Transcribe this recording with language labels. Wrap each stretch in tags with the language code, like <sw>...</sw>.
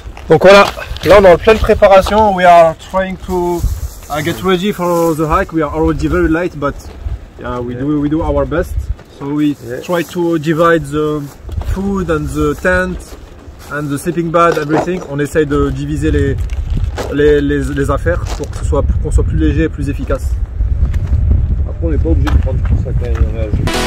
<fr>Donc voilà, là on est en pleine préparation.</fr> <en>We are trying to get ready for the hike. We are already very late, but we do our best. So we try to divide the food and the tent and the sleeping bag, everything.</en> <fr>On essaye de diviser les affaires pour que ce soit qu'on soit plus léger et plus efficace. Après on n'est pas obligé de prendre tout ça quand on est à jour.</fr>